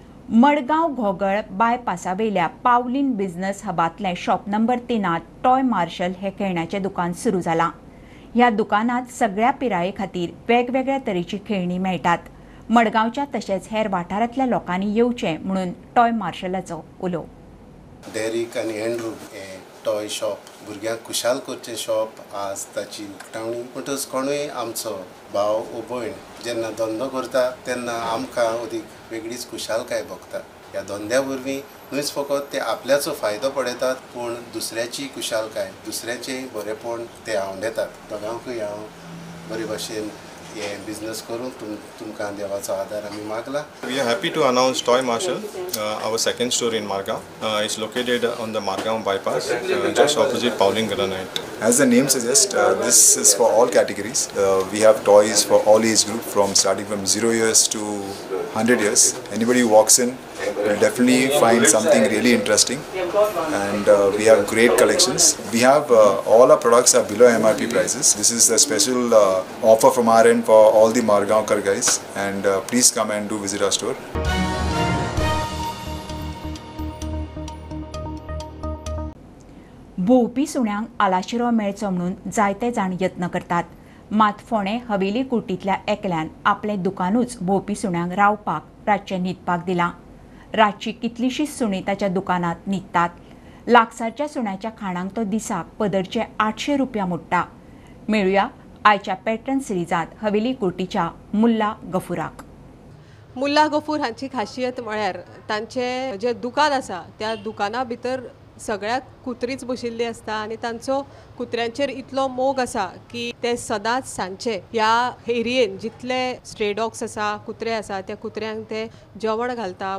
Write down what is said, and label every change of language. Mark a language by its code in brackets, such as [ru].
[gom] Margao घोगळ बायपासावेल्या Pauline business हबातले shop number 3 toy martial हे खेळण्याचे दुकान सुरू झाला. ह्या दुकानात सगळ्या पिराये खातीर वेगवेगळ्या तरेची खेळणी मेळटात. मडगावच्या तसेच हेर वाठारातल्या लोकांनी येवचे म्हणून टॉय मार्शलाचो उलो. डेरिक आणि एंड्रू हे टॉय शॉप भुरग्यांक खुशाल करचे शॉप आज ताची उक्तावणी. म्हणटच कोणूय आमचो भाव व भयण जेन्ना धंदो करता तेन्ना आमकां उदीक वेगळीच खुशालकाय भोगता. ह्या धंद्या वरवीं न्हयच फकत ते आपल्याचो फायदो पडयतात, पूण दुसऱ्याची खुशालकाय, दुसऱ्याचे बरेपण ते आवडेतात. दोगांकूय हांव बरे भाशेन हे बिजनेस करून तुमकां देवाचो आदार आम्ही मागला. [en] We are happy to announce toy Marshal, our second store in Margao. It's located on the Margao bypass just opposite Pauling granite. As the name suggest, this is for all categories. We have toys for all age group, from starting from 0 years to 100 years. Anybody walks in will definitely find something really interesting, and we have great collections. We have all our products are below MRP prices. This is a special offer from our end for all the Margaonkar guys, and please come and do visit our store. [gom] भोवपी सुण्यांक आलाशिरो मेळचो म्हणून जायते जाण यत्न करतात. मात फोणे हवेली कुटीतल्या एकल्यान आपले दुकानूच भोवपी सुण्यांक रावपाक रातचे न्हिदपाक दिला. रातची कितलीशीच सुणी ताच्या दुकानात न्हिदतात. लागसारच्या सुण्याच्या खाणांक तो दिसाक पदरचे 800 रुपया मोडटा. मेळूया आयच्या पॅटर्न सिरिजांत हवेली कुर्टीच्या मुल्ला गफुराक. मुल्ला गफूर हांची खासियत म्हळ्यार तांचे जे दुकान आसा त्या दुकाना भितर सगळ्याक कुत्रीच बशिल्ली आसता, आनी तांचो कुत्र्यांचेर इतलो मोग आसा की ते सदांच सांजचे ह्या एरियेन जितले स्ट्रे डॉग्स आसा, कुत्रे आसा, त्या कुत्र्यांक ते जेवण घालता.